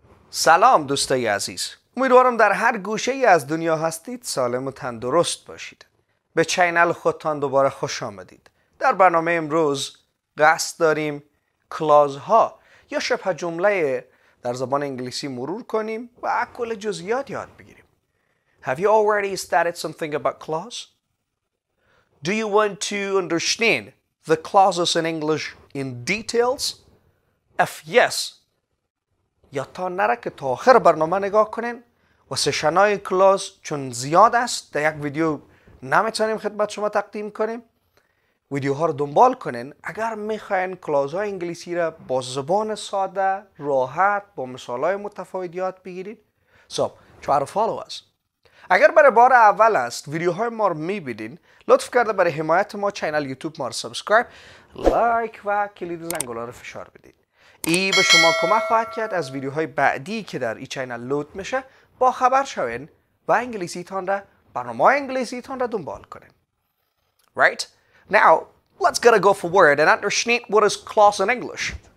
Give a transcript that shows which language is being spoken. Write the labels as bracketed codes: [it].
[fa] سلام دوستای عزیز، امیدوارم در هر گوشه ای از دنیا هستید سالم و تندرست باشید. به چینل خودتان دوباره خوش آمدید. در برنامه امروز قصد داریم کلاز ها یا شبه جمله در زبان انگلیسی مرور کنیم و کل جزئیات یاد بگیریم. [en] Have you already started something about clause? Do you want to understand the clauses in English in details? If yes, [fa] یا تا نره که تا آخر برنامه نگاه کنین و سشنهای کلاس چون زیاد است در یک ویدیو نمیتونیم خدمت شما تقدیم کنیم، ویدیوها رو دنبال کنین اگر میخواین کلاسهای انگلیسی را با زبان ساده، راحت، با مثالهای متفاوت یاد بگیرید. [en] So, try to follow us. [fa] اگر برای بار اول است ویدیوهای ما رو میبینین، لطف کرده برای حمایت ما چینل یوتیوب ما رو سابسکرایب، لایک و کلید زنگوله رو فشار بدید. ای به شما کمک خواهد کرد از ویدیوهای بعدی که در ای چینل لود میشه با خبر شوین و انگلیسیتان را برنامه انگلیسیتان را دنبال کنین. [en] Right? Now, let's gotta go for word and understand what is clause in English.